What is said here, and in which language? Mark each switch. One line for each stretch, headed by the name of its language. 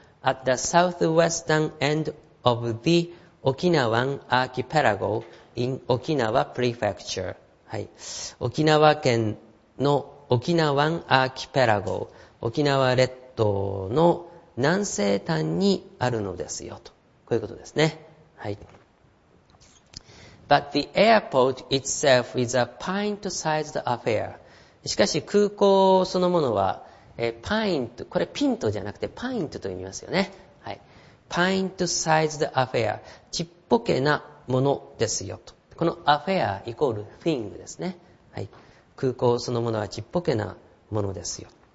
English: At the southwestern end of the Okinawan archipelago in Okinawa Prefecture.
Japanese: はい。沖縄県の沖縄アーキペラゴ、沖縄列島の南西端にあるのですよ。と。こういうことですね。はい。
English: But the airport itself is a pint-sized affair.
Japanese: しかし空港そのものはパイント、これピントじゃなくてパイントと言いますよね。はい。パイントサイズドアフェア。ちっぽけなものですよと。このアフェアイコールフィングですね。はい。空港そのものはちっぽけなものですよ。